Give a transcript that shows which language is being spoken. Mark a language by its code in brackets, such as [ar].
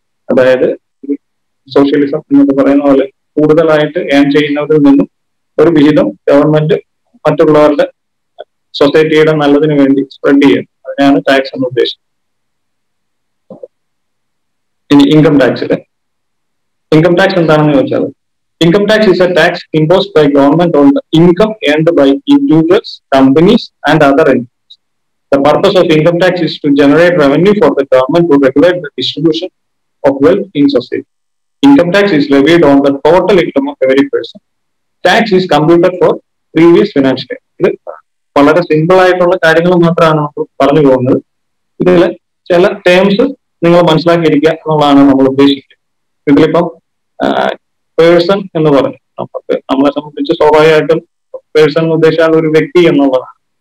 [ml] അതായത് സോഷ്യലിസം എന്നൊക്കെ പറയുന്ന പോലെ കൂടുതലായിട്ട് ഏൺ ചെയ്യുന്നവരിൽ നിന്നും ഒരു വിഹിതം ഗവൺമെന്റ് മറ്റുള്ളവരുടെ സൊസൈറ്റിയുടെ നല്ലതിന് വേണ്ടി സ്പ്രെഡ് ചെയ്യുന്നു, അതിനാണ് ടാക്സ് എന്ന് ഉദ്ദേശിക്കുന്നത്. ഇനി ഇൻകം ടാക്സില്, ഇൻകം ടാക്സ് എന്താണെന്ന് ചോദിച്ചാൽ, [en] Income tax is a tax imposed by government on the income earned by individuals, companies and other entities. The purpose of income tax is to generate revenue for the government to regulate the distribution of wealth in society. Income tax is levied on the total income of every person. Tax is computed for previous financial year. [ml] ഇത് വളരെ simple ആയിട്ടുള്ള കാര്യങ്ങൾ മാത്രമാണ് നമ്മൾ പറഞ്ഞു പോകുന്നത്. ഇതിൽ ചില ടേംസ് നിങ്ങൾ മനസ്സിലാക്കിയിരിക്കുക എന്നുള്ളതാണ് നമ്മൾ ഉദ്ദേശിക്കുന്നത്. ഇതിലിപ്പം പേഴ്സൺ എന്ന് പറഞ്ഞു, നമുക്ക് നമ്മളെ സംബന്ധിച്ച് സ്വാഭാവികമായിട്ടും പേഴ്സൺ എന്ന് ഉദ്ദേശിച്ചാൽ ഒരു വ്യക്തി എന്നുള്ളതാണ്.